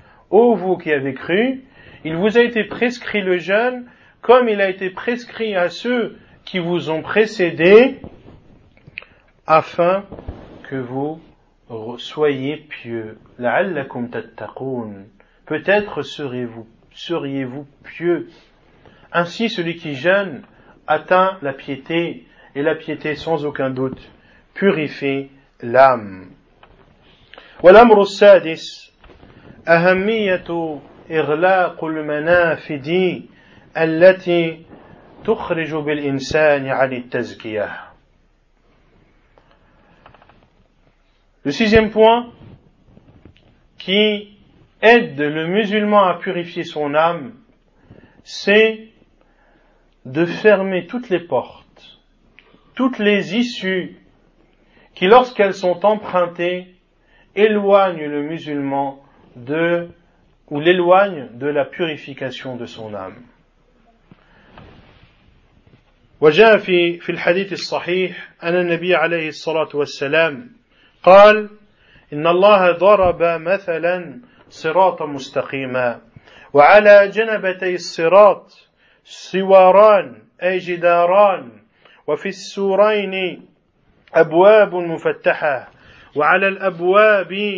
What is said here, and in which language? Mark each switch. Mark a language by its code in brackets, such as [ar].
[fr] Ô vous qui avez cru, il vous a été prescrit le jeûne comme il a été prescrit à ceux qui vous ont précédé afin que vous soyez pieux. [ar] La'allakum tattaqun. [fr] Peut-être seriez-vous pieux. Ainsi, celui qui jeûne atteint la piété, et la piété, sans aucun doute, purifie l'âme. [ar] والأمر السادس أهمية إغلاق المنافذ التي تخرج بالإنسان عن التزكية. [fr] Le sixième point qui aide le musulman à purifier son âme, c'est de fermer toutes les portes, toutes les issues qui, lorsqu'elles sont empruntées, éloignent le musulman de, ou l'éloignent de la purification de son âme. [ar] وجاء في الحديث الصحيح أن النبي عليه الصلاة والسلام قال إن الله ضرب مثلا صراط مستقيما وعلى جنبتي الصراط سواران أي جداران وفي السورين أبواب مفتحة وعلى الأبواب